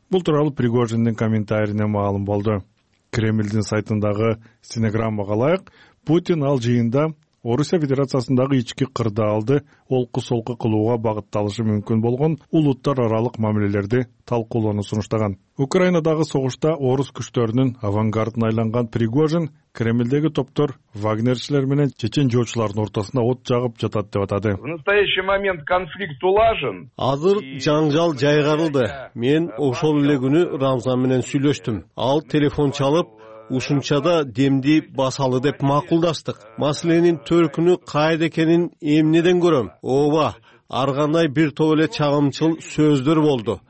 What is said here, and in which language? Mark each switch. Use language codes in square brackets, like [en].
[ky] Бул тууралуу Пригожиндин комментарийине маалым болду. Кремлдин сайтындагы стенограммага ылайык, Путин ал жыйында Орусия Федерациясындагы ички кырдаалды олку-солку кылууга багытталышы мүмкүн болгон улуттар аралык мамилелерди талкуулоону сунуштаган. Украинадагы согушта орус күчтөрүнүн авангардына айланган Пригожин Кремлдеги топтор Вагнерчилер менен чечен жоочулардын ортосунда от жагып жатат деп атады. [ru] В настоящий момент конфликт улажен. [ky] Азыр жаңжал жайгарылды. Мен ошол эле күнү Рамзан менен сүйлөштүм. Ал телефон чалып, ушунчада демди басалы деп макулдаштык. Маселенин төркүнү кайда экенин эмнеден көрөм? Ооба, ар кандай бир топ эле чагымчыл сөздөр болду.